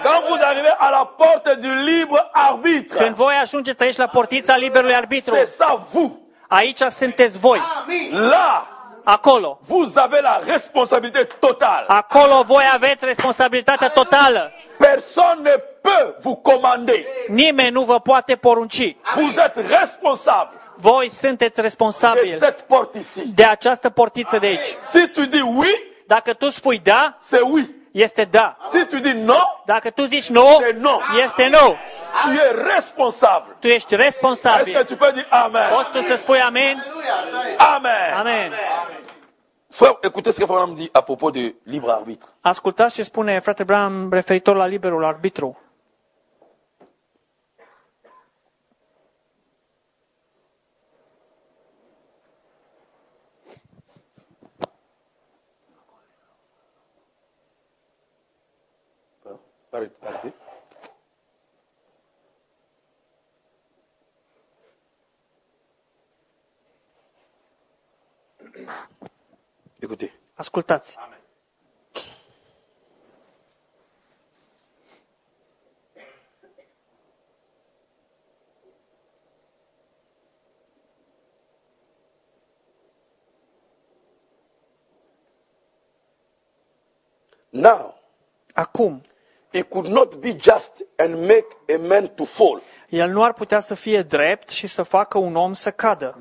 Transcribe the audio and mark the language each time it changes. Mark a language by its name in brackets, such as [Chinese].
[French] Quand vous arrivez à la porte du libre arbitre. [Romanian] Când voi ajungeți aici la portița liberului arbitru. [French] C'est ça vous. [Romanian] Aici sunteți voi. [French] Là. [Romanian] Acolo. [French] Vous avez la responsabilité totale. [Romanian] Acolo voi aveți responsabilitatea totală. [French] Personne ne peut vous commander. [Romanian] Nimeni nu vă poate porunci. [French] Vous êtes responsable. [Romanian] Voi sunteți responsabili de această portiță de aici. [French] Si tu dis oui, [Romanian] dacă tu spui da, [French] c'est oui. [Romanian] Este da. [French] Si tu dis non, [Romanian] dacă tu zici nu, no, este nu. No. [French] Tu es responsable. [Romanian] Tu ești responsabil. [French] Est-ce que tu peux dire amen? [Romanian] Poți tu să spui amen? Amen. Amen. [French] Frère, écoutez ce que Frère Branham dit à propos de libre arbitre. [Romanian] Ascultați ce spune frate Branham referitor la liberul arbitru. [English] Thank you. [Romanian] Ascultați. [English] Now, [Romanian] acum, [English] it could not be just and make a man to fall. [Romanian] El nu ar putea să fie drept și să facă un om să cadă.